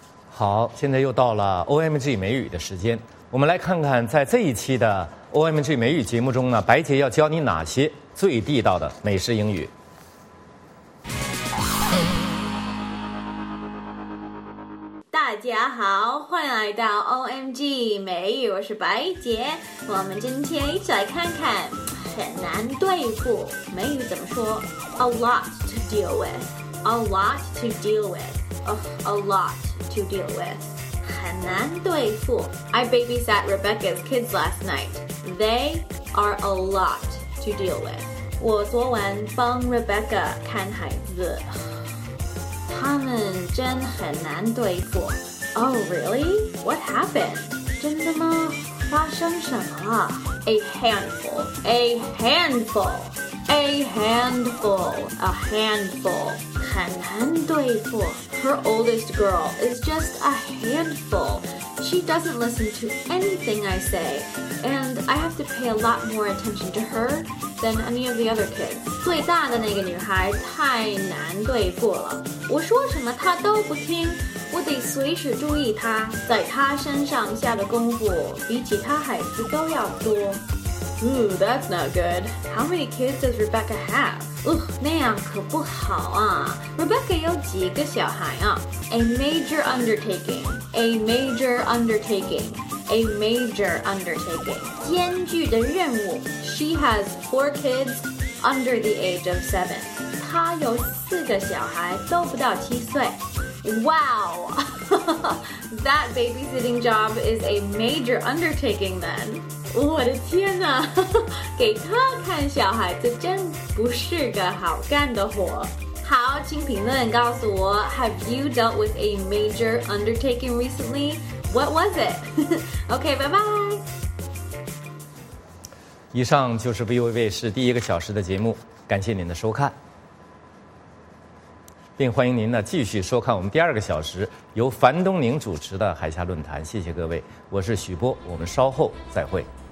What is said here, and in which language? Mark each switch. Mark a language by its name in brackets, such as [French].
[Chinese] 好，现在又到了 OMG 美语的时间，我们来看看在这一期的 OMG 美语节目中呢，白姐要教你哪些最地道的美式英语。大家好，欢迎来到 OMG 美语，我是白姐。我们今天一起来看看很难对付美语怎么说。 [English] A lot to deal with, a lot to deal with, a lot to deal with. [Chinese] 很难对付。 [English] I babysat Rebecca's kids last night. They are a lot to deal with. [Chinese] 我昨晚帮 Rebecca 看孩子，他们真很难对付。 [English] Oh really? What happened? [Chinese] 真的吗？发生什么？ [English] A handful. A handful. A handful. A handful. [Chinese] 很难对付。 [English] Her oldest girl is just a handful. She doesn't listen to anything I say, and I have to pay a lot more attention to her than any of the other kids. [Chinese] 最大的那个女孩太难对付了，我说什么她都不听，我得随时注意她，在她身上下的功夫比其他孩子都要多。 [English] Ooh, that's not good. How many kids does Rebecca have? [Chinese] Ugh, 那样可不好啊。Rebecca 有几个小孩啊？ [English] A major undertaking. A major undertaking. A major undertaking. [Chinese] 艰巨的任务。 [English] She has 4 kids under the age of 7. [Chinese] 她有四个小孩都不到七岁。 [English] Wow! That babysitting job is a major undertaking then. [Chinese] 我的天哪，给他看小孩子真不是个好干的活。好，请评论告诉我 [English] ，Have you dealt with a major undertaking recently? What was it? OK, [Chinese] 拜拜。以上就是 VOA 卫视第一个小时的节目，感谢您的收看，并欢迎您呢继续收看我们第二个小时由樊东宁主持的海峡论坛。谢谢各位，我是许波，我们稍后再会。